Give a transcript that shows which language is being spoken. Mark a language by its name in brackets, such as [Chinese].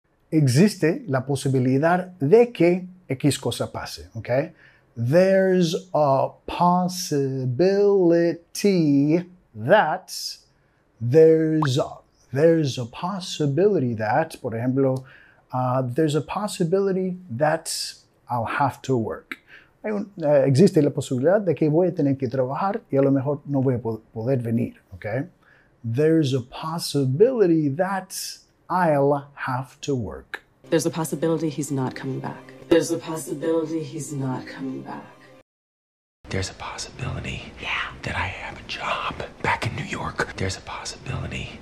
[Spanish] Existe la posibilidad de que X cosa pase, okay? [English] There's a possibility that... There's a possibility that, [Spanish] por ejemplo... [English] there's a possibility that I'll have to work. [Spanish] Existe la posibilidad de que voy a tener que trabajar y a lo mejor no voy a poder venir, okay? [English] There's a possibility that I'll have to work. There's a possibility he's not coming back. There's a possibility he's not coming back. There's a possibility, yeah, that I have a job back in New York. There's a possibility,